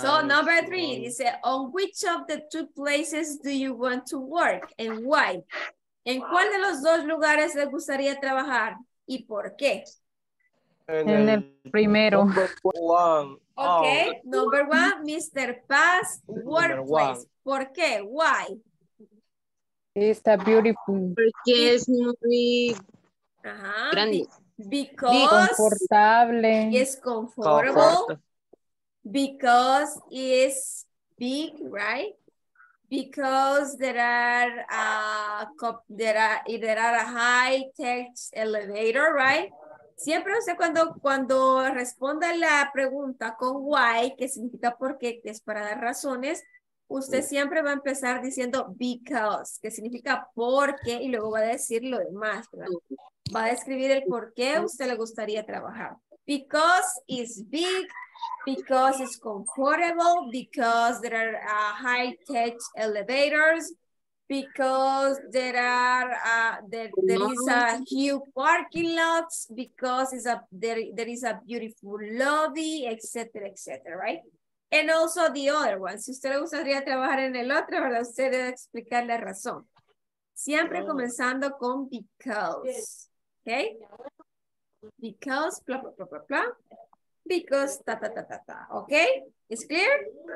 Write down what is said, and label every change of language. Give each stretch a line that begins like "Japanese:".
English: Yeah, so number three, he said, on which of the two places do you want to work and why?
Spanish: ¿En cuál de los dos lugares le gustaría trabajar y por qué? En el primero.
English: Okay, number one, Mr. Paz, workplace.
Spanish: ¿Por qué?
English: Why?
Spanish: Está beautiful. Porque es muy grande.
English: Because it's comfortable. Because it is big, right? Because there are a high tech elevator, right?
Spanish: Siempre usted cuando responda la pregunta con why, que significa porque, que es para dar razones, usted siempre va a empezar diciendo because, que significa porque, y luego va a decir lo demás, ¿verdad? Va a describir el por qué a usted le gustaría trabajar.
English: Because it's big, because it's comfortable, because there are high-tech elevators, because there is a huge parking lot, because there is a beautiful lobby, etc., etc., right? And also the other one.
Spanish: Si usted le gustaría trabajar en el otro, ¿verdad? Usted debe explicar la razón. Siempre comenzando con because.
English: Okay, because blah blah blah blah blah, because ta ta ta ta ta. Okay, is clear?